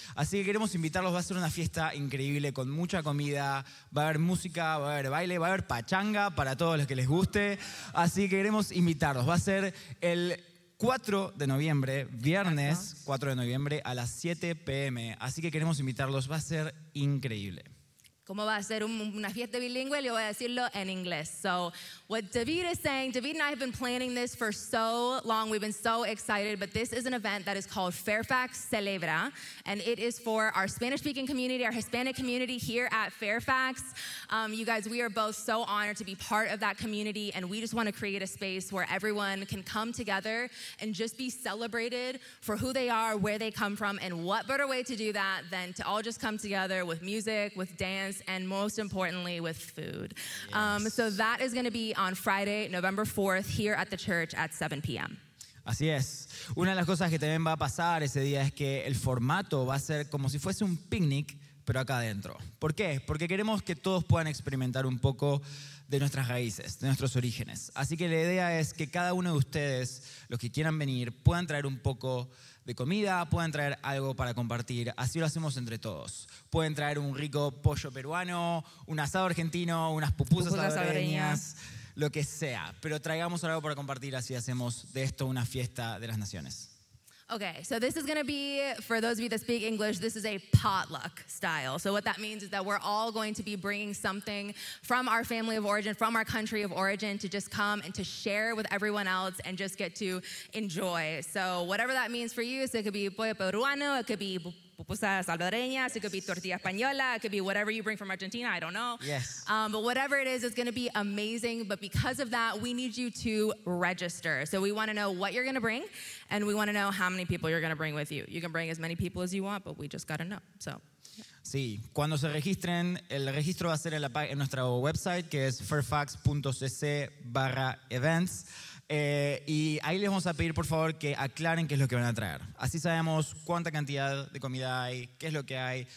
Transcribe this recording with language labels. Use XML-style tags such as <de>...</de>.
<es>Así que queremos invitarlos, va a ser una fiesta increíble con mucha comida, va a haber música, va a haber baile, va a haber pachanga para todos los que les guste. Así que queremos invitarlos, va a ser el 4 de noviembre, viernes 4 de noviembre a las 7 p.m. Así que queremos invitarlos, va a ser increíble. ¿Cómo va a ser una fiesta bilingüe? Le voy a decirlo en inglés.</es> <en>So what David is saying, David and I have been planning this for so long. We've been so excited, but this is an event that is called Fairfax Celebra, and it is for our Spanish-speaking community, our Hispanic community here at Fairfax. You guys, we are both so honored to be part of that community, and we just want to create a space where everyone can come together and just be celebrated for who they are, where they come from, and what better way to do that than to all just come together with music, with dance, and most importantly, with food. Yes. So that is going to be on Friday, November 4th, here at the church at 7 p.m.</en> <es>Así es. Una de las cosas que también va a pasar ese día es que el formato va a ser como si fuese un picnic, pero acá adentro. ¿Por qué? Porque queremos que todos puedan experimentar un poco de nuestras raíces, de nuestros orígenes. Así que la idea es que cada uno de ustedes, los que quieran venir, puedan traer un poco de comida, pueden traer algo para compartir, así lo hacemos entre todos. Pueden traer un rico pollo peruano, un asado argentino, unas pupusas salvadoreñas, lo que sea. Pero traigamos algo para compartir, así hacemos de esto una fiesta de las naciones.</es> <en>Okay, so this is going to be, for those of you that speak English, this is a potluck style. So what that means is that we're all going to be bringing something from our family of origin, from our country of origin, to just come and to share with everyone else and just get to enjoy. So whatever that means for you, so it could be</en> <es>pollo peruano,</es> <en>it could be</en> <es>pupusas salvadoreñas,</es> <en>yes. It could be</en> <es>tortilla española,</es> <en>it could be whatever you bring from Argentina, I don't know. Yes. But whatever it is, it's going to be amazing. But because of that, we need you to register. So we want to know what you're going to bring, and we want to know how many people you're going to bring with you. You can bring as many people as you want, but we just got to know. So.</en> <es>Sí, cuando se registren, el registro va a ser en nuestra website, que es fairfax.cc/events. Y ahí les vamos a pedir, por favor, que aclaren qué es lo que van a traer. Así sabemos cuánta cantidad de comida hay, qué es lo que hay.</es>